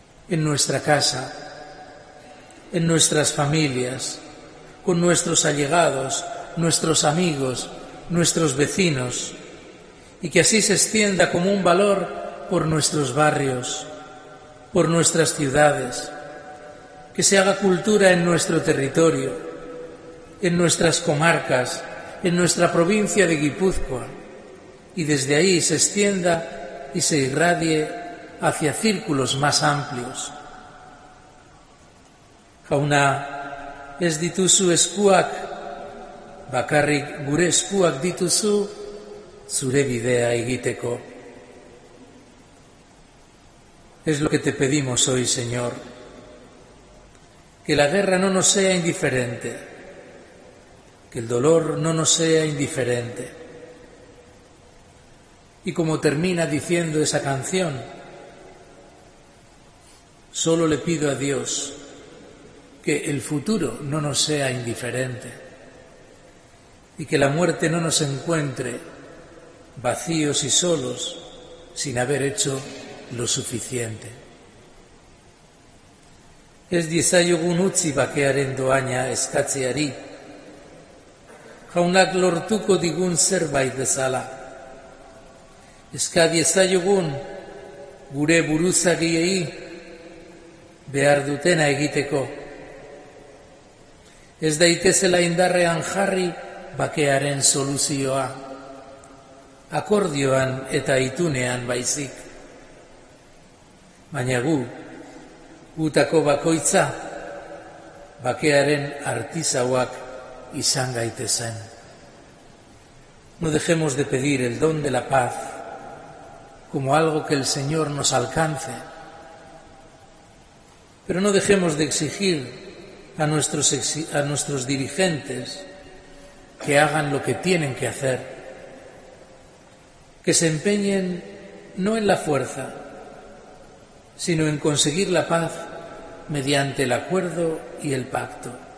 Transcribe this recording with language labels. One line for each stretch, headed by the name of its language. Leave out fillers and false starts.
Spanish: en nuestra casa, en nuestras familias, con nuestros allegados, nuestros amigos, nuestros vecinos, y que así se extienda como un valor por nuestros barrios, por nuestras ciudades, que se haga cultura en nuestro territorio, en nuestras comarcas, en nuestra provincia de Guipúzcoa, y desde ahí se extienda y se irradie hacia círculos más amplios.
Basque: Jauna, ez dituzu eskuak, bakarrik gure eskuak dituzu zure bidea egiteko.
Spanish: Es lo que te pedimos hoy, Señor, que la guerra no nos sea indiferente, que el dolor no nos sea indiferente. Y como termina diciendo esa canción, solo le pido a Dios que el futuro no nos sea indiferente y que la muerte no nos encuentre vacíos y solos sin haber hecho lo suficiente.
Basque: Ez diezaiogun utzi bakearen doaina eskatzeari, jaunak lortuko digun zerbait bezala. Eska diezaiogun gure buruzagiei behar dutena egiteko. Ez daitezela indarrean jarri bakearen soluzioa, akordioan eta itunean baizik. Baina gu, gutako bakoitza, bakearen artizauak izan gaitezen.
Spanish: No dejemos de pedir el don de la paz como algo que el Señor nos alcance, pero no dejemos de exigir a nuestros dirigentes que hagan lo que tienen que hacer, que se empeñen no en la fuerza, sino en conseguir la paz mediante el acuerdo y el pacto.